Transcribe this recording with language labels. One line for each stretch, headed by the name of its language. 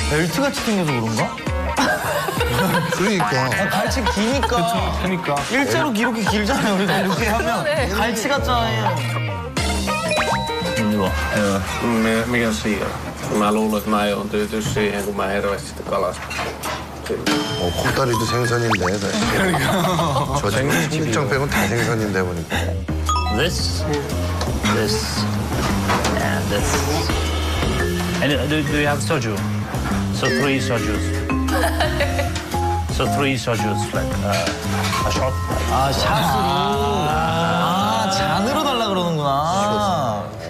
Korean: Belch같이 생겨서 그런가? 그러니까. 아, 갈치 기니까. 그쵸, 그러니까. 일자로 이렇게 길잖아요. 그래서 이렇게 하면 갈치 같잖아요.
Finnish: Mikä siinä? Mä luulen, että mä oon tyytynyt siihen, kun mä hirveästi sitten kalastan.
Korean: Oh, 코다리도 생선인데. 그러니까. 실정 빼고 다 생선인데 보니까.
English: This, this, and this. And do you have soju? So three sojus. So three sojus, like a shot.
Korean: 아, 잔으로. 잔으로 달라 그러는구나.